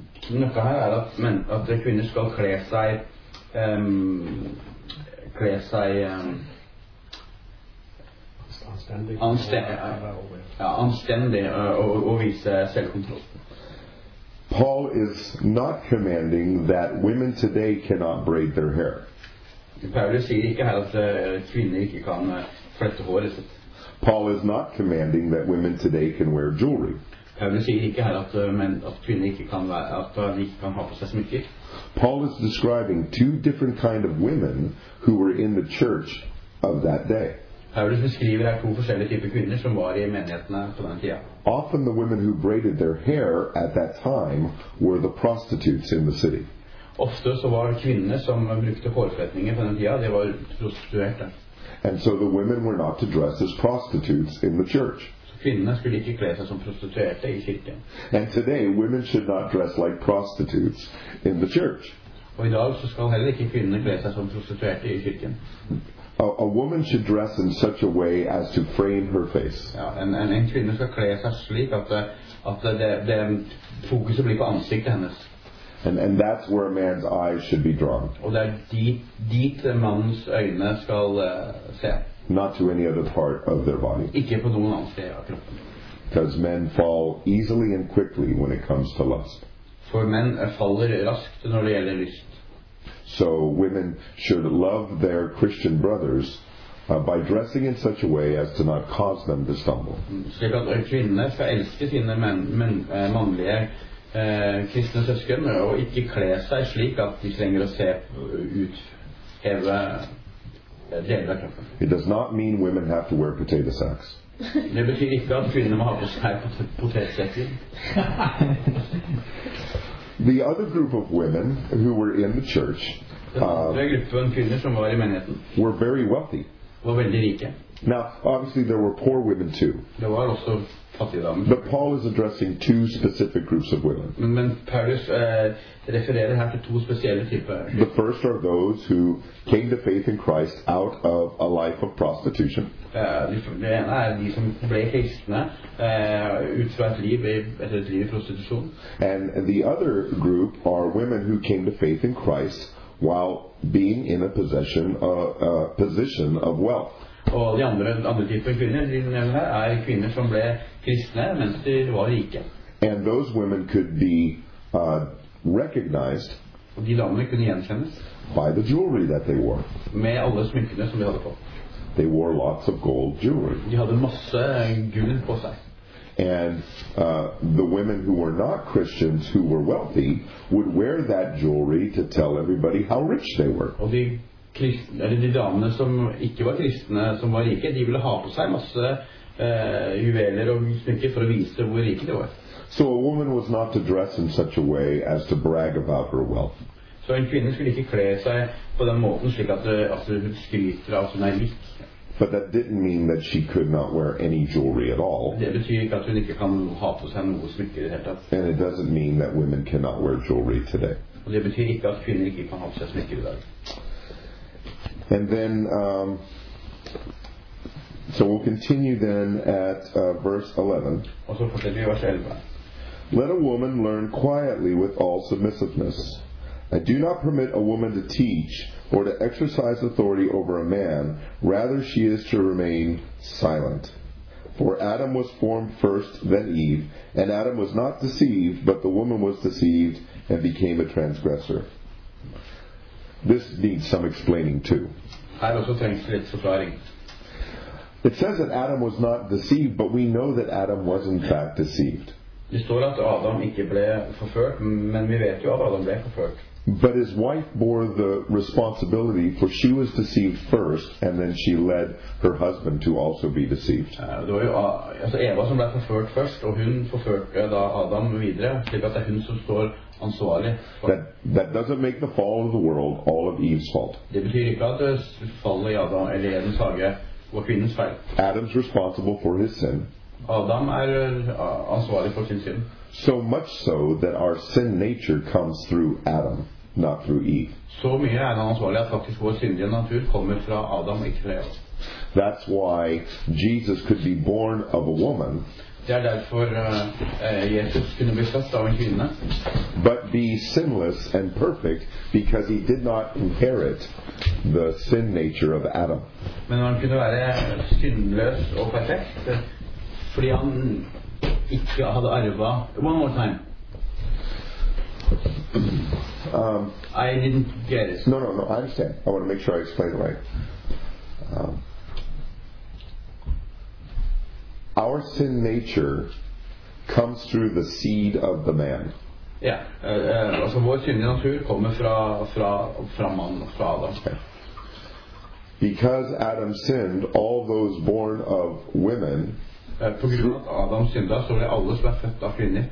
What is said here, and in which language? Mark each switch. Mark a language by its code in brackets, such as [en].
[no] Noe her at, men, at kvinner skal kle seg anstendig og vise selvkontroll. [en] Paul is not commanding that women today cannot braid their hair. [no] Paulus sier ikke her at kvinner ikke kan flette håret sitt. [en] Paul is not commanding that women today can wear jewelry. [no] Paulus sier ikke her at, men, at kvinner ikke kan, at de ikke kan ha på seg smykker. [en] Paul is describing two different kind of women who were in the church of that day. [no] Paulus beskriver her to forskjellige typer kvinner som var I menighetene på den tiden. [en] Often the women who braided their hair at that time were the prostitutes in the city. [no] Ofte så var kvinner som brukte hårfletninger på den tiden, det var prostituerte. [en] And so the women were not to dress as prostitutes in the church. [no] Kvinnene skulle ikke kle seg som prostituerte I kirken. [en] And today women should not dress like prostitutes in the church. [no] Og I dag så skal heller ikke kvinnene kle seg som prostituerte I kirken. [en] A woman should dress in such a way as to frame her face. [no] Ja, en kvinne skal kle seg slik at det fokuset blir på ansiktet hennes. [en] And that's where a man's eyes should be drawn. [no] Og det dit mannens øyne skal se. [en] Not to any other part of their body. [no] Ikke på noen annen sted av kroppen. [en] Because men fall easily and quickly when it comes to lust. [no] For menn faller raskt når det gjelder lyst. [en] So women should love their Christian brothers by dressing in such a way as to not cause them to stumble. [no] Slik at kvinner skal elske sine mannlige kristne søsken og ikke kle seg slik at de trenger å se ut heve [en] It does not mean women have to wear potato sacks. [no] Det betyr ikke at kvinner må ha på seg potetsekker. [en] The other group of women who were in the church [no] gruppen kvinner som var I menigheten [en] were very wealthy. [no] var veldig rike. [en] Now, obviously, there were poor women too. [no] Det var også fattige damer. [en] But Paul is addressing two specific groups of women. [no] Men Paulus refererer her til to spesielle typer. [en] The first are those who came to faith in Christ out of a life of prostitution. [no] Det ene de som ble kristne ut fra et liv i prostitusjon. [en] And the other group are women who came to faith in Christ while being in a possession, a position of wealth. [no] Og de andre typer kvinner de nevner her er kvinner som ble kristne mens de var rike. [en] And those women could be recognized [no] og de damene kunne gjenkjennes [en] by the jewelry that they wore. [no] Med alle smykkene som de hadde på. [en] They wore lots of gold jewelry. [no] De hadde masse gull på seg. [en] And the women who were not Christians, who were wealthy, would wear that jewelry to tell everybody how rich they were. [no] Og de kristne, eller de damene som ikke var kristne, som var rike, de ville ha på seg masse juveler og smykker for å vise hvor rike de var. [en] So a woman was not to dress in such a way as to brag about her wealth. [no] Så en kvinne skulle ikke kle seg på den måten slik at hun skryter av sin rik. [en] But that didn't mean that she could not wear any jewelry at all. [no] Det betyr ikke at hun ikke kan ha på seg noe smykke i det hele tatt. [en] And it doesn't mean that women cannot wear jewelry today. [no] Og det betyr ikke at kvinner ikke kan ha på seg smykke i dag. [en] And then, so we'll continue then at verse 11. [no] Og så fortsetter vi vers 11. [en] Let a woman learn quietly with all submissiveness. I do not permit a woman to teach or to exercise authority over a man, rather she is to remain silent. For Adam was formed first, then Eve, and Adam was not deceived, but the woman was deceived and became a transgressor. This needs some explaining too. I also think it's surprising. It says that Adam was not deceived, but we know that Adam was in fact deceived. [no] Det står at Adam ikke ble forført, men vi vet jo at Adam ble forført. [en] But his wife bore the responsibility, for she was deceived first, and then she led her husband to also be deceived. [no] Det var jo altså Eva som ble forført først, og hun forførte da Adam videre, slik at det hun som står ansvarlig. [en] That doesn't make the fall of the world all of Eve's fault. [no] Det betyr ikke at fallet i Adam eller Edens hage var kvinnens feil. [en] Adam's responsible for his sin. [no] Adam ansvarlig for sin synd. [en] So much so that our sin nature comes through Adam, not through Eve. [no] Så mye er han ansvarlig at faktisk vår syndige natur kommer fra Adam, ikke fra Eva. [en] That's why Jesus could be born of a woman. [no] Det er derfor Jesus kunne bli født av en kvinne. [en] But be sinless and perfect because he did not inherit the sin nature of Adam. [no] Men han kunne være syndløs og perfekt fordi han ikke hadde arvet. [en] One more time. I didn't get it. No, I understand. I want to make sure I explain it right. Our sin nature comes through the seed of the man. [no] Yeah, vår syndige natur kommer fra mannen, fra Adam. [en] Okay. Because Adam sinned, all those born of women, [no] på grunn av at Adam syndet, så ble alle som er født av kvinner,